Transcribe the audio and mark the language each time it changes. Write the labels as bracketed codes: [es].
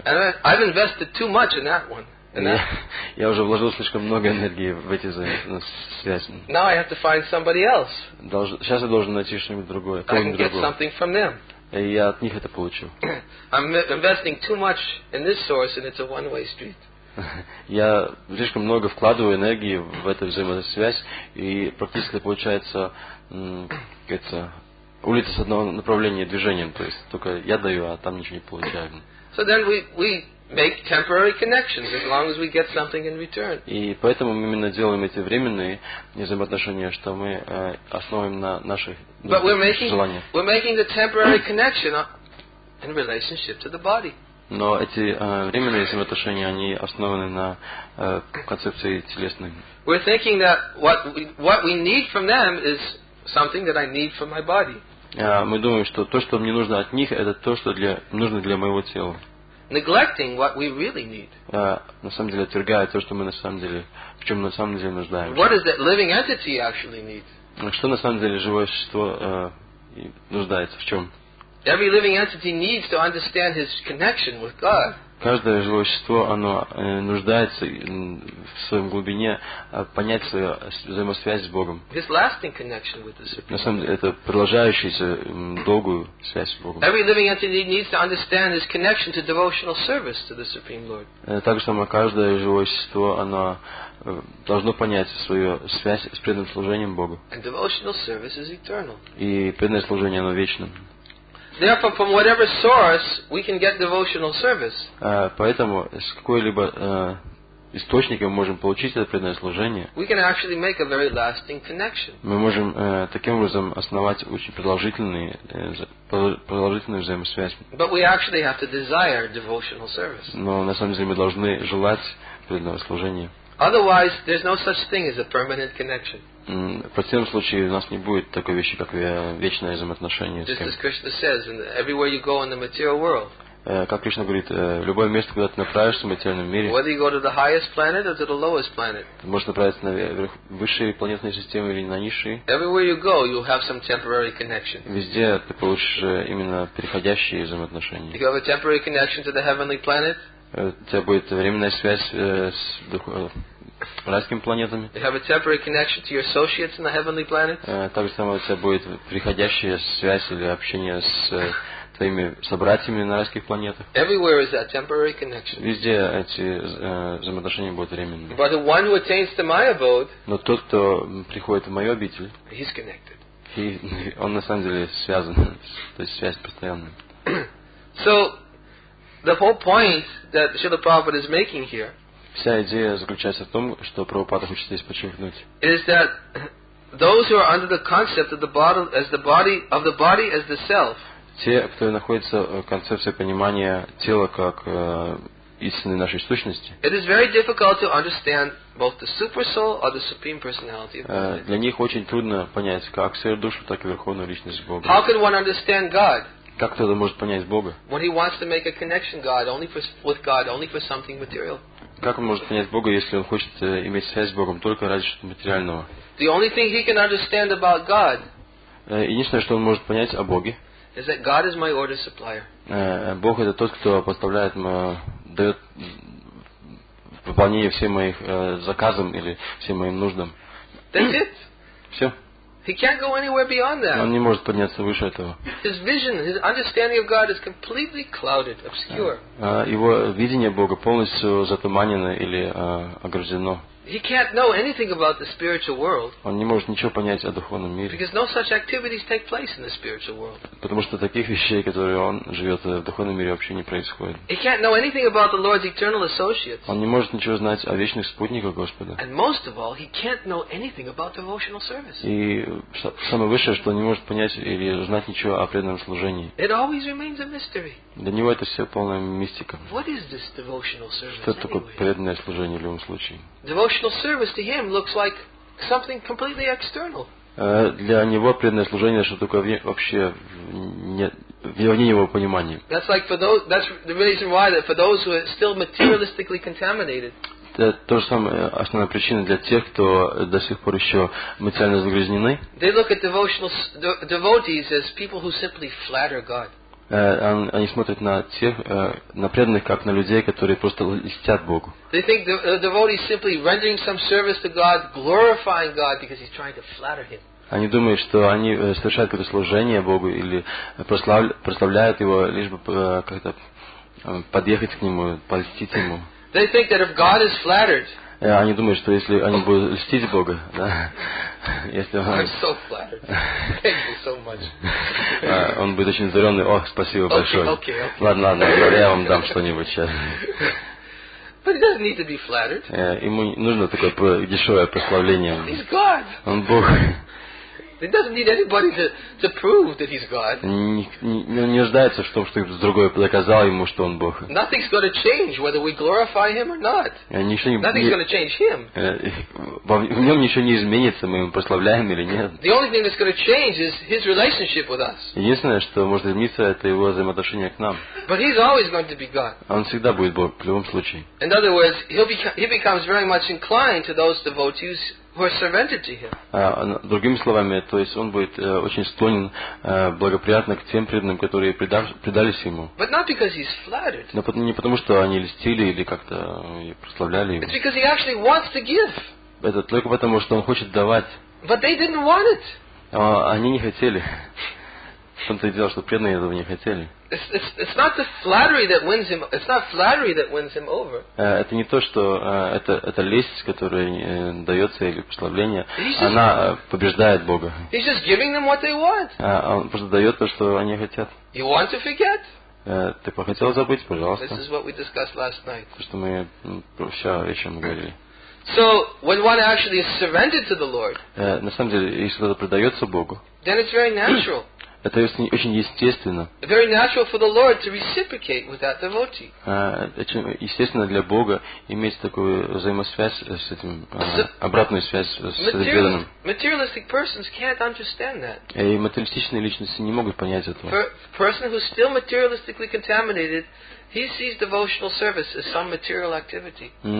[en] And I've invested too much in that one. [ru] Я уже вложил слишком много энергии в эти связи. [en] Now I have to find somebody else. [ru] Сейчас я должен найти что-нибудь другое. [en] I can get something from them. [ru] И я от них это получу. [en] I'm investing too much in this source, and it's a one-way street. [ru] Я слишком много вкладываю энергии в эту взаимосвязь, и практически получается какая-то улица с одного направления движением. То есть только я даю, а там ничего не получаю. [en] So then we make temporary connections as long as we get something in return. [ru] И поэтому мы именно делаем эти временные взаимоотношения, что мы основываем на наших желаниях. [en] But we're making the temporary connection in relationship to the body. [ru] Но эти временные взаимоотношения, они основаны на концепции телесной. [en] We're thinking that what we need from them is something that I need for my body. [ru] Мы думаем, что то, что мне нужно от них, это то, что нужно для моего тела. [en] Neglecting what we really need. [ru] На самом деле, отвергая то, что мы на самом деле, в чем на самом деле нуждаемся. [en] What is that living entity actually need? [ru] Что на самом деле живое существо нуждается в чем? [en] Every living entity needs to understand his connection with God. [ru] Каждое живое существо, оно нуждается в своем глубине понять свою взаимосвязь с Богом. [en] His lasting connection with the Spirit. [ru] На самом деле, это продолжающаяся долгую связь с Богом. [en] Every living entity needs to understand his connection to devotional service to the Supreme Lord. [ru] Так же самое, каждое живое существо, оно должно понять свою связь с преданным служением Богу. [en] And devotional service is eternal. [ru] И преданное служение, оно вечно. [en] Therefore, from whatever source we can get devotional service. [ru] Поэтому с какой-либо источника мы можем получить это преданное служение. [en] We can actually make a very lasting connection. [ru] Мы можем таким образом основать очень продолжительную взаимосвязь. [en] But we actually have to desire devotional service. [ru] Но на самом деле мы должны желать преданного служения. [en] Otherwise, there's no such thing as a permanent connection. [ru] В противном случае у нас не будет такой вещи, как вечное взаимоотношение. [en] Just as Krishna says, everywhere you go in the material world. [ru] Как Кришна говорит, любое место, куда ты направишься в материальном мире. [en] Whether you go to the highest planet or to the lowest planet. [ru] Можешь направиться на высшие планетные системы или на низшие. [en] Everywhere you go, you'll have some temporary connection. [ru] Везде ты получишь именно переходящие взаимоотношения. [en] You have a temporary connection to the heavenly planet. [ru] У тебя будет временная связь с райскими планетами. [en] You have a temporary connection to your associates in the heavenly planet. [ru] Так же самое у тебя будет приходящая связь или общение с твоими собратьями на райских планетах. [en] Everywhere is that temporary connection. [ru] Везде эти взаимоотношения будут временными. [en] But the one who attains to my abode. [ru] Но тот, кто приходит в мою обитель. [en] He's connected. [ru] Он на самом деле связан, то есть связь постоянная. [en] So the whole point that Srila Prabhupada is making here. [ru] Вся идея заключается в том, что Прабхупада хочет здесь подчеркнуть. [en] Is that those who are under the concept of the body as the body of the body as the self? [ru] Те, кто находится в концепции понимания тела как истинной нашей сущности. [en] It is very difficult to understand both the super soul or the supreme personality. [ru] Для них очень трудно понять как свою душу, так и верховную личность Бога. [en] How can one understand God? [ru] Как кто-то может понять Бога? [en] When he wants to make a connection with God only for something material. [ru] Как он может понять Бога, если он хочет иметь связь с Богом только ради чего-то материального? [en] The only thing he can understand about God. [ru] Единственное, что он может понять о Боге. [en] Is that God is my order supplier. [ru] Бог это тот, кто поставляет, дает выполнение всем моим заказам или всем моим нуждам. [en] That's it. [ru] Все. [en] He can't go anywhere beyond that. [ru] Он не может подняться выше этого. [en] His vision, his understanding of God is completely clouded, obscure. [ru] Его видение Бога полностью затуманено или ограждено. [en] He can't know anything about the spiritual world. [ru] Он не может ничего понять о духовном мире. [en] Because no such activities take place in the spiritual world. [ru] Потому что таких вещей, которые он живет в духовном мире, вообще не происходит. [en] He can't know anything about the Lord's eternal associates. [ru] Он не может ничего знать о вечных спутниках Господа. [en] And most of all, he can't know anything about devotional service. [ru] И самое высшее, что он не может понять или знать ничего о преданном служении. [en] It always remains a mystery. [ru] Для него это все полная мистика. [en] What is this devotional service? [ru] Что такое преданное служение в любом случае? [en] Devotional service to him looks like something completely external. [ru] Для него преданное служение что-то такое вообще вне его понимания. [en] That's like for those. That's the reason why that for those who are still materialistically contaminated. [ru] Это то же самое основная причина для тех, кто до сих пор еще материально загрязнены. [en] They look at devotees as people who simply flatter God. [ru] Они смотрят на тех, на преданных, как на людей, которые просто льстят Богу. [en] They think the devotee is simply rendering some service to God, glorifying God because he's trying to flatter him. [ru] Они думают, что они совершают какое-то служение Богу или прославляют его, лишь бы как-то подъехать к нему, польстить ему. [en] They think that if God is flattered. [ru] Они думают, что если они будут льстить Бога, да, если он. [en] I'm so flattered. Thank you so much. [ru] Он будет очень удивленный. Ох, спасибо большое. Ладно, я вам дам что-нибудь сейчас. [en] But he doesn't need to be flattered. [ru] Ему нужно такое дешевое прославление. [en] He's God. [ru] Он Бог. [en] He doesn't need anybody to prove that he's God. [ru] Не нуждается в том, чтобы другой доказал ему, что он Бог. [en] Nothing's going to change whether we glorify him or not. Nothing's going to change him. [ru] В нем ничего не изменится, мы его прославляем или нет. [en] The only thing that's going to change is his relationship with us. [ru] Единственное, что может измениться, это его взаимоотношение к нам. [en] But he's always going to be God. [ru] Он всегда будет Бог в любом случае. [en] In other words, he becomes very much inclined to those devotees. Who are surrendered to him. [ru] Другими словами, то есть он будет очень склонен благоприятно к тем преданным, которые предались ему. [en] But not because he's flattered. [ru] Но не потому, что они льстили или как-то прославляли его. [en] It's because he actually wants to give. [ru] Это только потому, что он хочет давать. [en] But they didn't want it. [ru] Они не хотели. В том-то и дело, что преданные этого не хотели. [en] It's not the flattery that wins him. It's not flattery that wins him over. [ru] Это не то, что это лесть, которая дается или прославление. Она побеждает Бога. [en] He's just giving them what they want. [ru] Он просто дает то, что они хотят. [en] You want to forget? [ru] Ты хотел забыть, пожалуйста. [en] This is what we discussed last night. [ru] То, что мы вчера вечером говорили. [en] So when one actually is surrendered to the Lord. [ru] На самом деле, если кто-то предается Богу. [en] Then it's very natural. [ru] Это очень естественно. [en] Very natural for the Lord to reciprocate with that devotee. [ru] Очень естественно для Бога иметь такую взаимосвязь с этим, обратную связь с преданным. [en] Materialistic persons can't understand that. [ru] И материалистичные личности не могут понять этого. [en] Person who's still materialistically contaminated, he sees devotional service as some material activity.